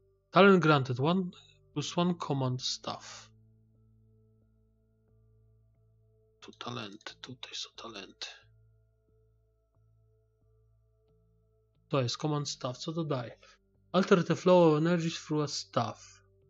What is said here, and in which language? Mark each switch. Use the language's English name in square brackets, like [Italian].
[English] Talent granted one plus one command staff. [Polish] Tu talenty, tutaj są talenty. To jest command staff, co to daje? [English] Alter the flow of energy through a staff.